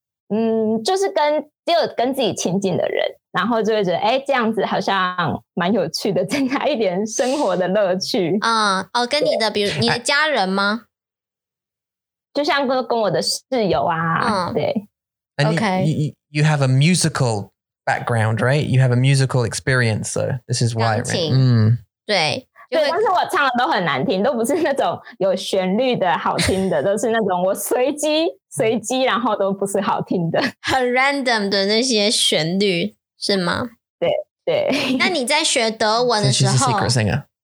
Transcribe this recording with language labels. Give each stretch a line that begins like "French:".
Chinese: 嗯，就是跟只有跟自己亲近的人，然后就会觉得哎，这样子好像蛮有趣的，增加一点生活的乐趣。嗯，哦，跟你的比如你的家人吗？就像跟我的室友啊，嗯，对。
English: OK, you have a musical background, right? You have a musical experience, so this is why.
Chinese: 钢琴，对，对，但是我唱的都很难听，都不是那种有旋律的好听的，都是那种我随机，然后都不是好听的，很 random 的那些旋律，是吗？对对。那你在学德文的时候
English: ，She's a secret singer.